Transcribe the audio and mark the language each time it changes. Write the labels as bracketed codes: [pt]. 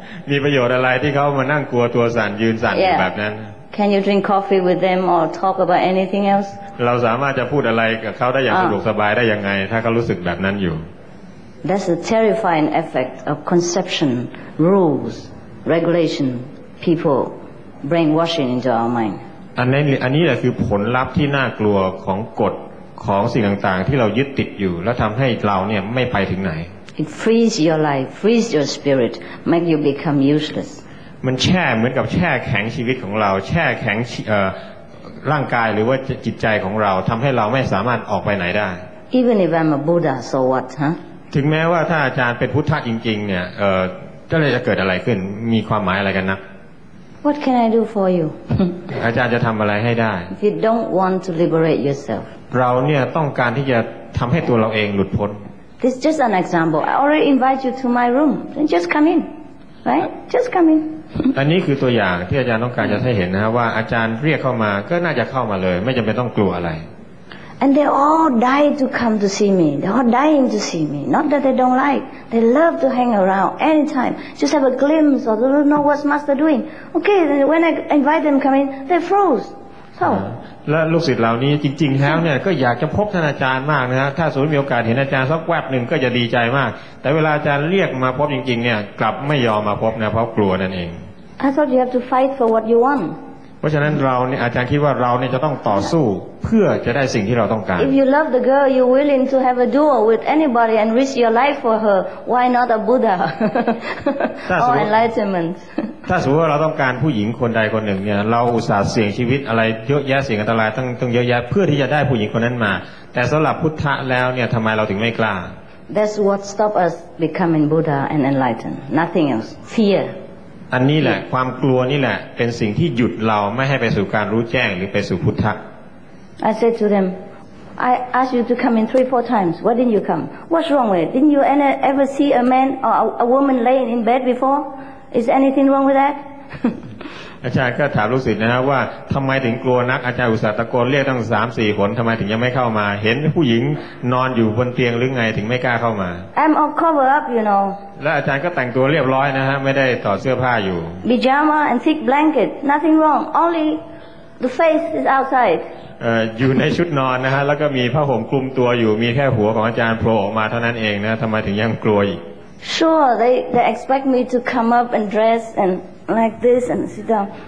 [th] มีประโยชน์อะไรที่เขามานั่งกลัวตัวสั่นยืนสั่นแบบนั้น [en] Can you drink coffee with them or talk about anything else? [th] เราสามารถจะพูดอะไรกับเขาได้อย่างสะดวกสบายได้ยังไงถ้าเขารู้สึกแบบนั้นอยู่ [en] That's a terrifying effect of conception, rules, regulation, people brainwashing into our mind. [th] อันนี้แหละคือผลลัพธ์ที่น่ากลัวของกฎของสิ่งต่างๆที่เรายึดติดอยู่แล้วทำให้เราเนี่ยไม่ไปถึงไหน [en] It frees your life, frees your spirit, make you become useless. [th] มันแช่เหมือนกับแช่แข็งชีวิตของเราแช่แข็งร่างกายหรือว่าจิตใจของเราทำให้เราไม่สามารถออกไปไหนได้ [en] Even if I'm a Buddha, so what, huh? [th] ถึงแม้ว่าถ้าอาจารย์เป็นพุทธะจริงๆเนี่ยก็เลยจะเกิดอะไรขึ้นมีความหมายอะไรกันนะ [en] What can I do for you? [th] อาจารย์จะทำอะไรให้ได้ [en] If you don't want to liberate yourself. [th] เราเนี่ยต้องการที่จะทำให้ตัวเราเองหลุดพ้น [en] This is just an example. I already invite you to my room. Then just come in, right? Just come in. [th] อันนี้คือตัวอย่างที่อาจารย์ต้องการจะให้เห็นนะว่าอาจารย์เรียกเข้ามาก็น่าจะเข้ามาเลยไม่จำเป็นต้องกลัวอะไร [en] And they all die to come to see me. They all dying to see me. Not that they don't like. They love to hang around anytime. Just have a glimpse or don't know what master doing. Okay. Then when I invite them come in, they froze. So. [th] และลูกศิษย์เหล่านี้จริงๆแล้วเนี่ยก็อยากจะพบท่านอาจารย์มากนะฮะถ้าสมมติมีโอกาสเห็นอาจารย์สักแวบหนึ่งก็จะดีใจมากแต่เวลาอาจารย์เรียกมาพบจริงๆเนี่ยกลับไม่ยอมมาพบนะเพราะกลัวนั่นเอง [en] I thought you have to fight for what you want [th] เพราะฉะนั้นเราเนี่ยอาจารย์คิดว่าเราเนี่ยจะต้องต่อสู้เพื่อจะได้สิ่งที่เราต้องการ [en] If you love the girl you're willing to have a duel with anybody and risk your life for her why not a Buddha or enlightenment [th] ถ้าสมมติว่าเราต้องการผู้หญิงคนใดคนหนึ่งเนี่ยเราอุตส่าห์เสี่ยงชีวิตอะไรเยอะแยะเสี่ยงอันตรายต้องเยอะแยะเพื่อที่จะได้ผู้หญิงคนนั้นมาแต่สำหรับพุทธะแล้วเนี่ยทำไมเราถึงไม่กล้า [en] That's what stop us becoming Buddha and enlightened. Nothing else. Fear. [th] อันนี้แหละความกลัวนี่แหละเป็นสิ่งที่หยุดเราไม่ให้ไปสู่การรู้แจ้งหรือไปสู่พุทธะ [en] I said to them, I asked you to come in 3-4 times. Why didn't you come? What's wrong with it? Didn't you ever see a man or a woman laying in bed before? Is anything wrong with that? [th] อาจารย์ก็ถามลูกศิษย์นะครับว่าทำไมถึงกลัวนักอาจารย์อุตส่าห์ตะโกนเรียกตั้ง3-4 คนทำไมถึงยังไม่เข้ามาเห็นผู้หญิงนอนอยู่บนเตียงหรือไงถึงไม่กล้าเข้ามา [en] I'm all covered up, you know. [th] และอาจารย์ก็แต่งตัวเรียบร้อยนะฮะไม่ได้ถอดเสื้อผ้าอยู่ [en] Pajama and thick blanket, nothing wrong. Only the face is outside. [th] อยู่ในชุดนอนนะฮะแล้วก็มีผ้าห่มคลุมตัวอยู่มีแค่หัวของอาจารย์โผล่ออกมาเท่านั้นเองนะทำไมถึงยังกลัวอีก [en] Sure, they expect me to come up and dress and like this and sit down.